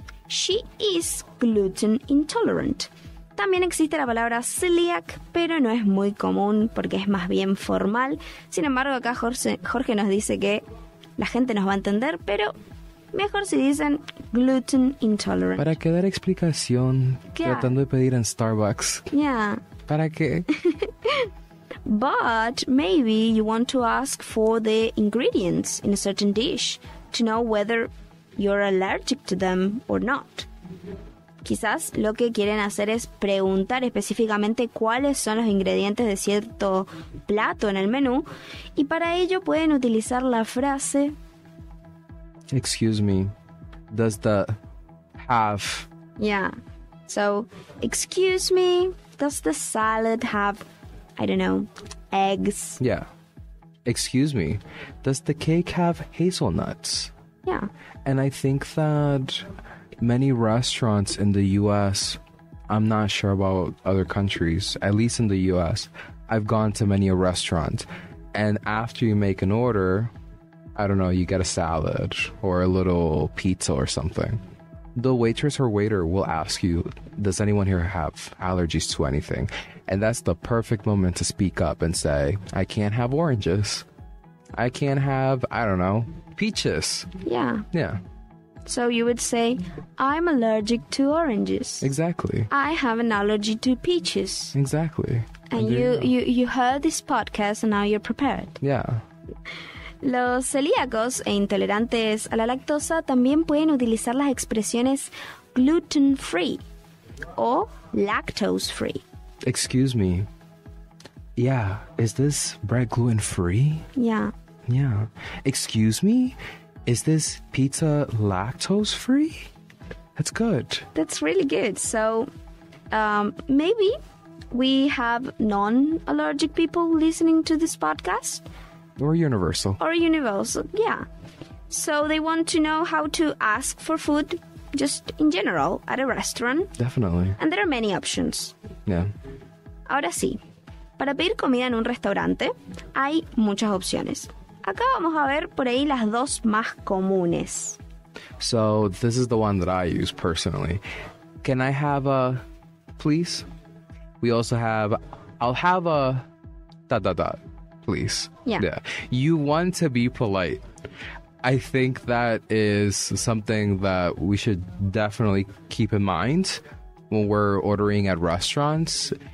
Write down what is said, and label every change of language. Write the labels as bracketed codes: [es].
[en] She is gluten intolerant. [es] También existe la palabra celiac, pero no es muy común porque es más bien formal. Sin embargo, acá Jorge nos dice que la gente nos va a entender, pero mejor si dicen gluten intolerant. ¿Para qué dar explicación tratando de pedir en Starbucks? [en] Yeah. [es] ¿Para qué? [en] But maybe you want to ask for the ingredients in a certain dish to know whether you're allergic to them or not. [es] Quizás lo que quieren hacer es preguntar específicamente cuáles son los ingredientes de cierto plato en el menú, y para ello pueden utilizar la frase, [en] excuse me, does the have... Yeah, so, excuse me, does the salad have, I don't know, eggs? Yeah. Excuse me, does the cake have hazelnuts? Yeah. And I think that many restaurants in the U.S., I'm not sure about other countries, at least in the U.S., I've gone to many a restaurant, and after you make an order, I don't know, you get a salad or a little pizza or something, the waitress or waiter will ask you, does anyone here have allergies to anything? And that's the perfect moment to speak up and say, I can't have oranges. I can't have, I don't know, peaches. Yeah. Yeah. So you would say, I'm allergic to oranges. Exactly. I have an allergy to peaches. Exactly. And you heard this podcast and now you're prepared. Yeah. [es] Los celíacos e intolerantes a la lactosa también pueden utilizar las expresiones gluten-free o lactose-free. [en] Excuse me. Yeah, is this bread gluten-free? Yeah. Yeah. Excuse me? Is this pizza lactose-free? That's good. That's really good. So, maybe we have non-allergic people listening to this podcast. Or universal, yeah. So they want to know how to ask for food, just in general, at a restaurant. Definitely. And there are many options. Yeah. [es] Ahora sí, para pedir comida en un restaurante, hay muchas opciones. Acá vamos a ver por ahí las dos más comunes. [en] So this is the one that I use personally. Can I have a, please? We also have, I'll have a, dot, dot, dot. Please. Yeah. Yeah. You want to be polite. I think that is something that we should definitely keep in mind when we're ordering at restaurants.